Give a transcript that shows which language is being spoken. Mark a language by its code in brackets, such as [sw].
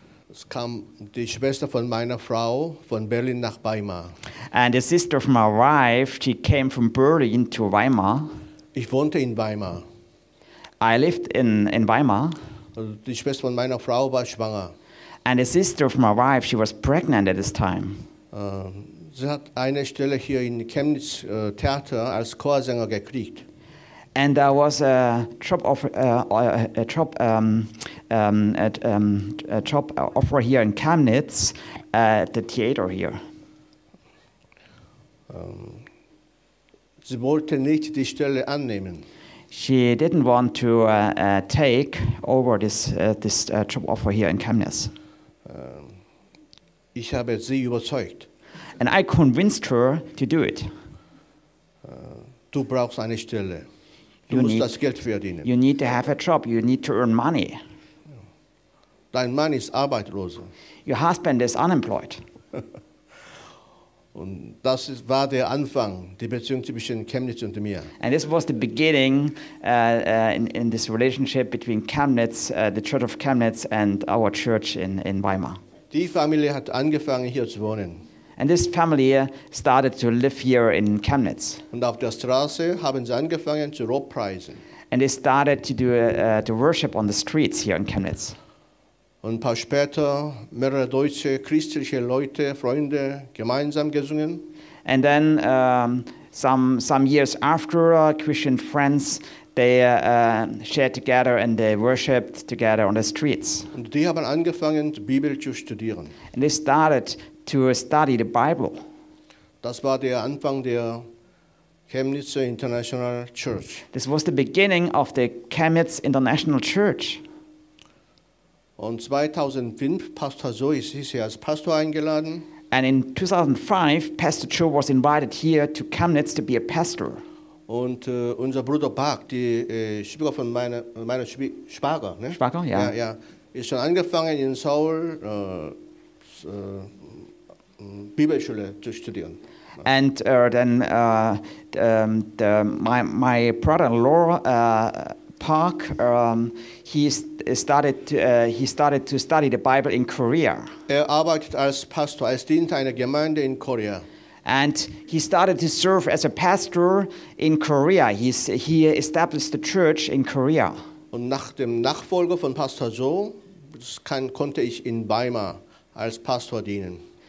[de] Es kam die Schwester von meiner Frau von Berlin nach Weimar. [en] And the sister of my wife, she came from Berlin to Weimar. [de] Ich wohnte in Weimar. [en] I lived in Weimar. [de] Die Schwester von meiner Frau war schwanger. [en] And the sister of my wife, she was pregnant at this time. [de] Sie hat eine Stelle hier in Chemnitz Theater als Chorsänger gekriegt. [en] And there was a job offer, a job offer here in Chemnitz at the theater here. [de] Sie wollte nicht die Stelle annehmen. [en] She didn't want to take over this job offer here in Chemnitz. [de] Ich habe sie überzeugt. [en] And I convinced her to do it. [de] Du brauchst eine Stelle. Du musst das Geld verdienen. [en] You need to have a job. You need to earn money. [de] Dein Mann ist arbeitslos. [en] Your husband is unemployed. [de] Und das war der Anfang, die Beziehung zwischen Chemnitz und mir. [en] And this was the beginning in this relationship between Chemnitz, the Church of Chemnitz, and our church in Weimar. [de] Die Familie hat angefangen hier zu wohnen. [en] And this family started to live here in Chemnitz. [de] Und auf der Straße haben sie angefangen zu lobpreisen. [en] And they started to do to worship on the streets here in Chemnitz. [de] Und ein paar später mehrere deutsche christliche Leute, Freunde, gemeinsam gesungen. [en] And then some years after, Christian friends, they shared together and they worshipped together on the streets. [de] Und die haben angefangen, die Bibel zu studieren. [en] And they started to study the Bible. [de] Das war der Anfang der Chemnitzer International Church. [en] This was the beginning of the Chemnitz International Church. [de] Und 2005 Pastor Joe ist hier als Pastor eingeladen. [en] And in 2005 Pastor Joe was invited here to Chemnitz to be a pastor. [de] Und unser Bruder Bach, die Schwager von meiner Schwager, ne? Schwager, ja. Ja, ja. Ist schon angefangen in Seoul Bibelschule zu studieren. [en] And my brother-in-law Park, he started to study the Bible in Korea. [de] Er arbeitet als Pastor, er dient einer Gemeinde in Korea. [en] And he started to serve as a pastor in Korea. He established the church in Korea. [de] Und nach dem Nachfolger von Pastor Joe, konnte ich in Weimar als Pastor dienen.